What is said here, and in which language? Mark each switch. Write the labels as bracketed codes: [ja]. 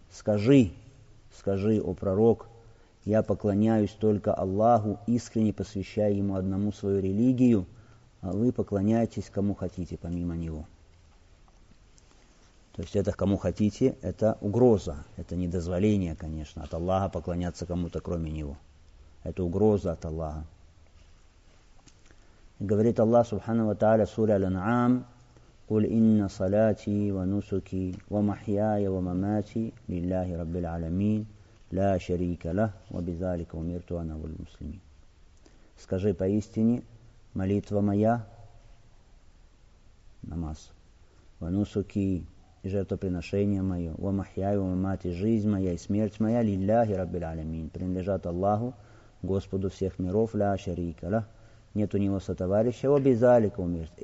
[ru] Скажи, скажи, о пророк, я поклоняюсь только Аллаху, искренне посвящая ему одному свою религию, а вы поклоняетесь кому хотите помимо него. То есть это кому хотите, это угроза, это недозволение, конечно, от Аллаха поклоняться кому-то кроме него. Это угроза от Аллаха. Говорит Аллах Субхана ва Тааля в суре Аль-Анъам: [ar] قُلْ إِنَّ صَلَاتِي وَنُسُكِي وَمَحْيَايَ وَمَمَاتِي لِلَّهِ رَبِّ الْعَالَمِينَ لَا شَرِيكَ لَهُ وَبِذَلِكَ أُمِرْتُ أَنَا وَالْمُسْلِمِينَ. [ru] Скажи, поистине молитва моя, намаз, ванусуки, жертвоприношение мое, [ar] вамахьяя вамамати, [ru] жизнь моя и смерть моя, [ar] лилляхи раббиль алямин, [ru] принадлежат Аллаху, Господу всех миров, [ar] ля шарика лах, [ru] нет у него сотоварища, обязалика умерть.